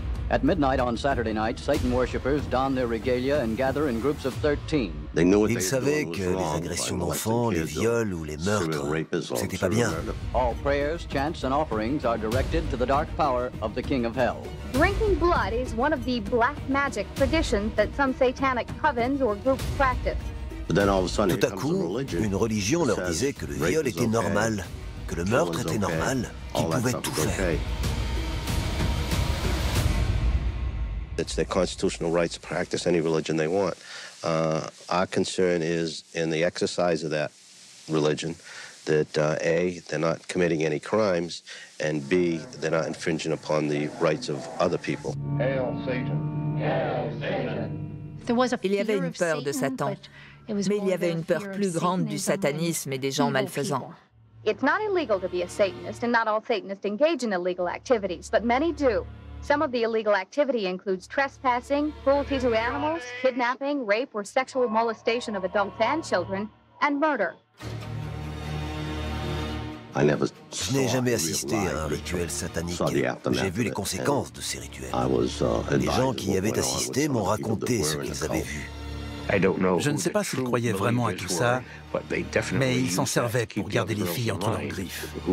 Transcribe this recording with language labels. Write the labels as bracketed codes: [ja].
[en] At midnight on Saturday night, Satan worshippers don their regalia and gather in groups of 13. [fr] Ils savaient que les agressions d'enfants, les viols ou les meurtres, c'était pas bien. [en] All prayers, chants and offerings are directed to the dark power of the King of Hell. Drinking blood is one of the black magic traditions that some satanic covens or groups practice. [fr] Tout à coup, une religion leur disait que le viol était normal, que le meurtre était normal, qu'ils pouvaient tout faire. [en] It's their constitutional right to practice any religion they want. Our concern is in the exercise of that religion that A, they're not committing any crimes, and B, they're not infringing upon the rights of other people. Hail Satan! Hail Satan! [fr] Il y avait une peur de Satan, mais il y avait une peur plus grande du satanisme et des gens malfaisants. [en] It's not illegal to be a Satanist, and not all Satanists engage in illegal activities, but many do. Some of the illegal activity includes trespassing, cruelty to animals, kidnapping, rape or sexual molestation of adults and children, and murder. [fr] Je n'ai jamais assisté à un rituel satanique. J'ai vu les conséquences de ces rituels. Les gens qui y avaient assisté m'ont raconté ce qu'ils avaient vu. Je ne sais pas s'ils croyaient vraiment à tout ça, mais ils s'en servaient pour garder les filles entre leurs griffes.